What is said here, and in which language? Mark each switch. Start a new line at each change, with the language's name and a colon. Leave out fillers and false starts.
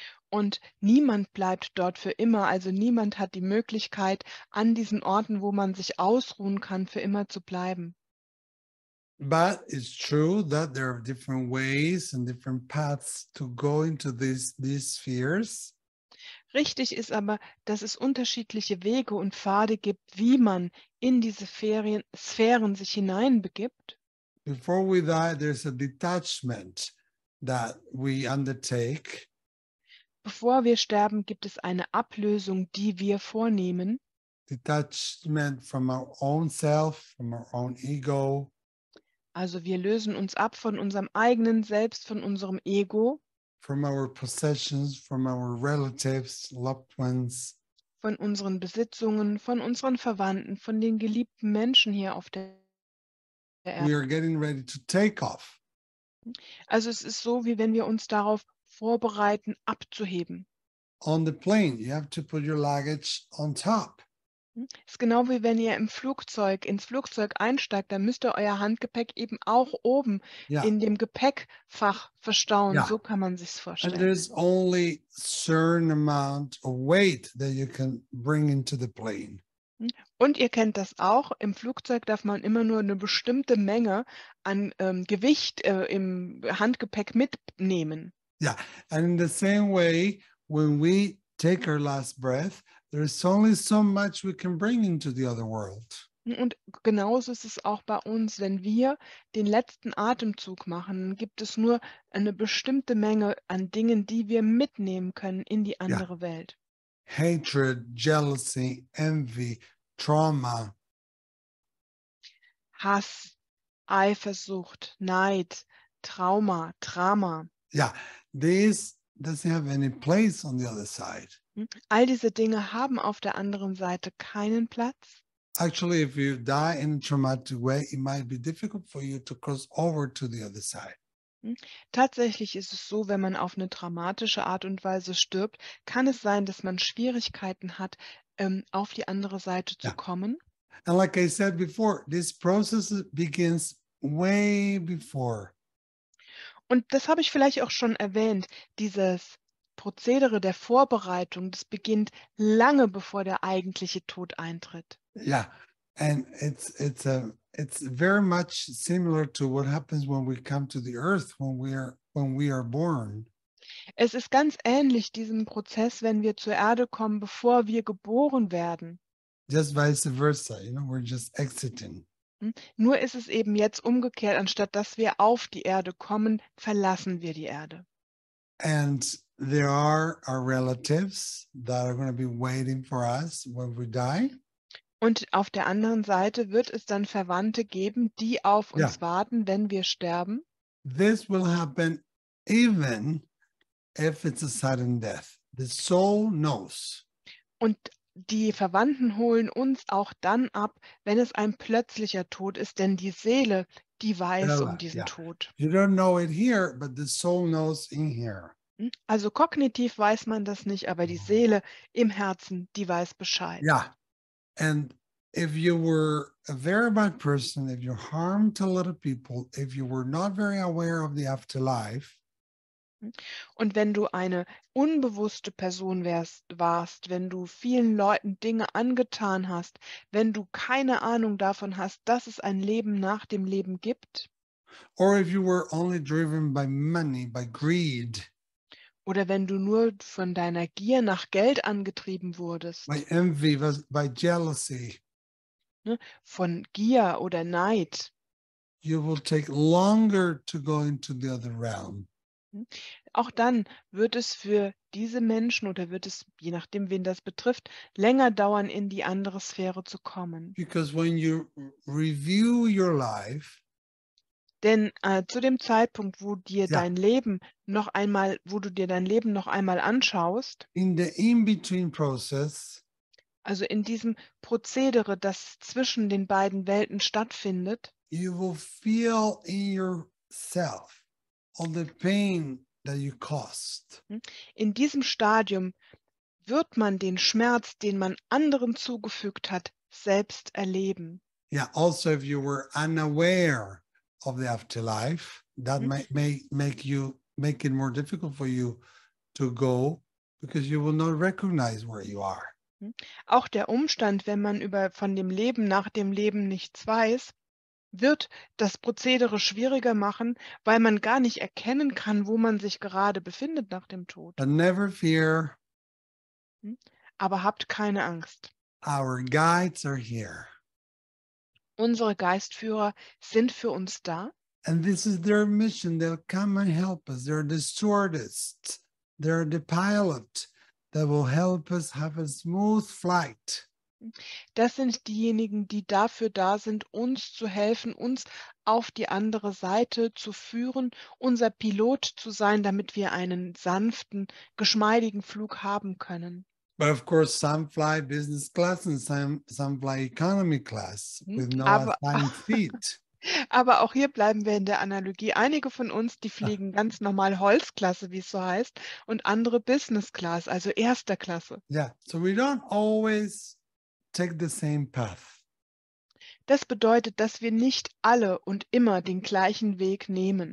German: Und niemand bleibt dort für immer. Also niemand hat die Möglichkeit, an diesen Orten, wo man sich ausruhen kann, für immer zu bleiben.
English: But it's true that there are different ways and different paths to go into these spheres.
German: Richtig ist aber, dass es unterschiedliche Wege und Pfade gibt, wie man in diese Sphären sich hineinbegibt.
English: Before we die, there's a detachment that we undertake.
German: Bevor wir sterben, gibt es eine Ablösung, die wir vornehmen.
English: Detachment from our own self, from our own ego.
German: Also wir lösen uns ab von unserem eigenen Selbst, von unserem Ego.
English: From our possessions, from our relatives, loved ones.
German: Von unseren Besitzungen, von unseren Verwandten, von den geliebten Menschen hier auf der Erde.
English: We are getting ready to take off.
German: Also es ist so, wie wenn wir uns darauf vorbereiten, abzuheben.
English: On the plane, you have to put your luggage on top.
German: Es ist genau wie wenn ihr ins Flugzeug einsteigt, dann müsst ihr euer Handgepäck eben auch oben in dem Gepäckfach verstauen. Yeah. So kann man sich's vorstellen.
English: And there's only certain amount of weight that you can bring into the plane.
German: Und ihr kennt das auch, im Flugzeug darf man immer nur eine bestimmte Menge an Gewicht im Handgepäck mitnehmen. Ja, yeah.
English: And in the same way, when we take our last breath, there is only so much we can bring into the other world.
German: Und genauso ist es auch bei uns, wenn wir den letzten Atemzug machen, gibt es nur eine bestimmte Menge an Dingen, die wir mitnehmen können in die andere Welt.
English: Hatred, jealousy, envy, trauma.
German: Hass, Eifersucht, Neid, Trauma, Drama.
English: Ja, this doesn't have any place on the other side.
German: All diese Dinge haben auf der anderen Seite keinen Platz.
English: Actually, if you die in a traumatic way, it might be difficult for you to cross over to the other side.
German: Tatsächlich ist es so, wenn man auf eine traumatische Art und Weise stirbt, kann es sein, dass man Schwierigkeiten hat, auf die andere Seite zu kommen.
English: And like I said before, this process begins way before.
German: Und das habe ich vielleicht auch schon erwähnt, dieses Prozedere der Vorbereitung, das beginnt lange bevor der eigentliche Tod eintritt.
English: Yeah, and it's very much similar to what happens when we come to the earth, when we are born.
German: Es ist ganz ähnlich diesem Prozess, wenn wir zur Erde kommen, bevor wir geboren werden.
English: Just vice versa, you know, we're just exiting.
German: Nur ist es eben jetzt umgekehrt, anstatt dass wir auf die Erde kommen, verlassen wir die Erde.
English: And there are our relatives that are going to be waiting for us when we die.
German: Und auf der anderen Seite wird es dann Verwandte geben, die auf uns warten, wenn wir sterben.
English: This will happen even if it's a sudden death. The soul knows.
German: Und die Verwandten holen uns auch dann ab, wenn es ein plötzlicher Tod ist, denn die Seele, die weiß um diesen Tod.
English: You don't know it here, but the soul knows in here.
German: Also kognitiv weiß man das nicht, aber die Seele im Herzen, die weiß Bescheid. Yeah.
English: And if you were a very bad person, if you harmed a lot of people, if you were not very aware of the afterlife,
German: Und wenn du eine unbewusste Person warst, wenn du vielen Leuten Dinge angetan hast, wenn du keine Ahnung davon hast, dass es ein Leben nach dem Leben gibt,
English: or if you were only driven by money, by greed,
German: oder wenn du nur von deiner Gier nach Geld angetrieben wurdest,
English: by envy, by jealousy,
German: ne, von Gier oder Neid,
English: you will take longer to go into the other realm.
German: Auch dann wird es für diese Menschen oder wird es, je nachdem, wen das betrifft, länger dauern, in die andere Sphäre zu kommen.
English: Because when you review your life,
German: denn zu dem Zeitpunkt, wo dir dein Leben noch einmal, wo du dir dein Leben noch einmal anschaust,
English: in the in-between process,
German: also in diesem Prozedere, das zwischen den beiden Welten stattfindet,
English: you will feel in yourself all the pain that you caused.
German: In diesem Stadium wird man den Schmerz, den man anderen zugefügt hat, selbst erleben.
English: Yeah, also if you were unaware of the afterlife, that might make it more difficult for you to go, because you will not recognize where you are.
German: Auch der Umstand, wenn man über von dem Leben nach dem Leben nichts weiß, wird das Prozedere schwieriger machen, weil man gar nicht erkennen kann, wo man sich gerade befindet nach dem Tod.
English: But never fear.
German: Aber habt keine Angst.
English: Our guides are here.
German: Unsere Geistführer sind für uns da.
English: And this is their mission. They'll come and help us. They're the stewardess. They're the pilot that will help us have a smooth flight.
German: Das sind diejenigen, die dafür da sind, uns zu helfen, uns auf die andere Seite zu führen, unser Pilot zu sein, damit wir einen sanften, geschmeidigen Flug haben können.
English: But of course, some fly business class and some fly economy class with no assigned seat.
German: Aber auch hier bleiben wir in der Analogie. Einige von uns, die fliegen ganz normal Holzklasse, wie es so heißt, und andere Business Class, also erster Klasse.
English: Yeah, so we don't always take the same path.
German: Das bedeutet, dass wir nicht alle und immer den gleichen Weg nehmen.